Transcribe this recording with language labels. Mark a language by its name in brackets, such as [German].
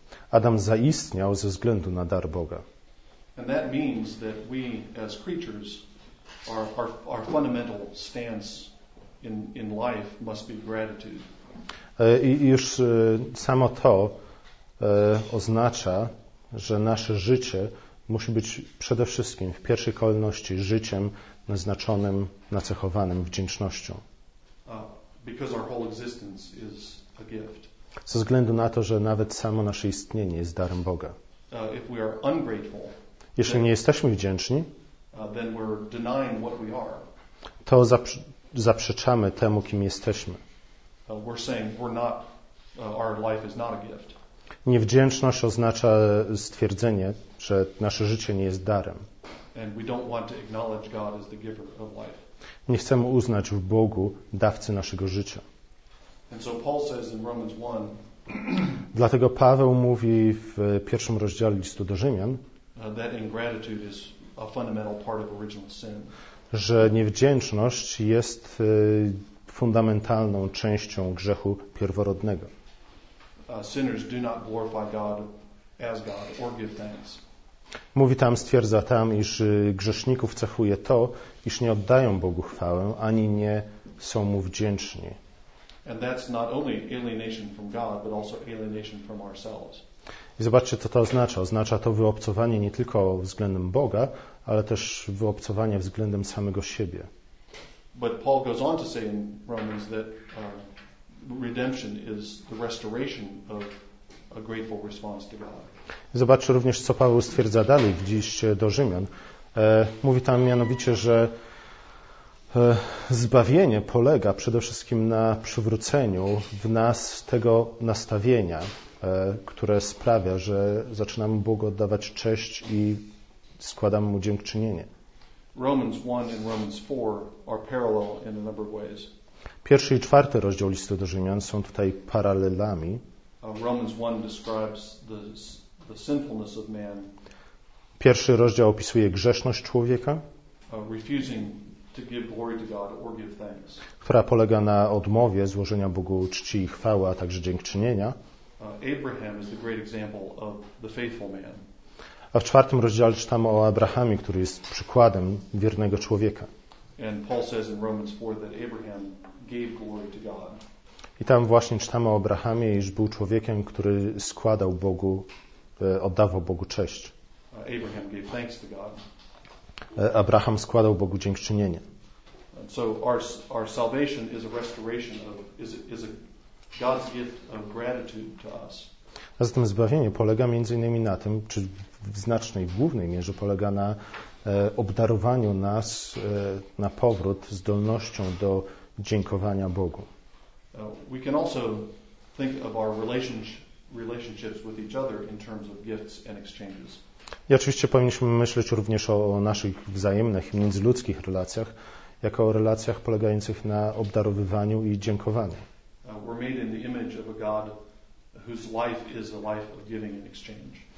[Polish] Adam zaistniał ze względu na dar Boga. [English] And that means that we as creatures our fundamental stance in life must be gratitude. [Polish] I już samo to oznacza, że nasze życie musi być przede wszystkim w pierwszej kolejności życiem naznaczonym, nacechowanym wdzięcznością. [English] Because our whole existence is a gift. [Polish] Ze względu na to, że nawet samo nasze istnienie jest darem Boga. [English] If we are ungrateful, [Polish] jeśli nie jesteśmy wdzięczni, [English] then we're denying what we are. [Polish] To zaprzeczamy temu, kim jesteśmy. [English] We're saying we're not, our life is not a gift. [Polish] Niewdzięczność oznacza stwierdzenie, że nasze życie nie jest darem. [English] And we don't want to acknowledge God as the giver of life. [Polish] Nie chcemy uznać w Bogu dawcy naszego życia. [English] And so Paul says in Romans 1, [Polish] dlatego Paweł mówi w pierwszym rozdziale listu do Rzymian, [English] that ingratitude is a fundamental part of original sin. [Polish] Że niewdzięczność jest fundamentalną częścią grzechu pierworodnego. [English] Sinners do not glorify God as God or give thanks. [Polish] Mówi tam, stwierdza tam, iż grzeszników cechuje to, iż nie oddają Bogu chwałę, ani nie są Mu wdzięczni. [English] And that's not only alienation from God, but also alienation from ourselves. [Polish] I zobaczcie, co to oznacza. Oznacza to wyobcowanie nie tylko względem Boga, ale też wyobcowanie względem samego siebie. [English] But Paul goes on to say in Romans that redemption is the restoration of a grateful response to God. [Polish] Zobaczcie również, co Paweł stwierdza dalej w liście do Rzymian. Mówi tam mianowicie, że zbawienie polega przede wszystkim na przywróceniu w nas tego nastawienia, które sprawia, że zaczynamy Bogu oddawać cześć i składamy Mu dziękczynienie. [English] Romans 1 and Romans 4 are parallel in a number of ways. [Polish] Pierwszy i czwarty rozdział listu do Rzymian są tutaj paralelami. [English] Romans 1 describes the sinfulness of man. [Polish] Pierwszy rozdział opisuje grzeszność człowieka, [English] refusing to give glory to God or give thanks. [Polish] Która polega na odmowie złożenia Bogu czci i chwały, a także dziękczynienia. [English] Abraham is the great example of the faithful man. [Polish] A w czwartym rozdziale czytamy o Abrahamie, który jest przykładem wiernego człowieka. [English] And Paul says in Romans 4 that Abraham gave glory to God. [Polish] I tam właśnie czytamy o Abrahamie, iż był człowiekiem, który składał Bogu, oddawał Bogu cześć. [English] Abraham gave thanks to God. [Polish] Abraham składał Bogu dziękczynienie. [English] And so our salvation is a restoration of is a God's gift of gratitude to us. [Polish] A zatem zbawienie polega między innymi na tym, czy w znacznej, głównej mierze polega na obdarowaniu nas na powrót zdolnością do dziękowania Bogu. [English] We can also think of our relationships with each other in terms of gifts and exchanges. [Polish] I oczywiście powinniśmy myśleć również o naszych wzajemnych, międzyludzkich relacjach, jako o relacjach polegających na obdarowywaniu i dziękowaniu. [English] We're made in the image of a God whose life is a life of giving and exchange.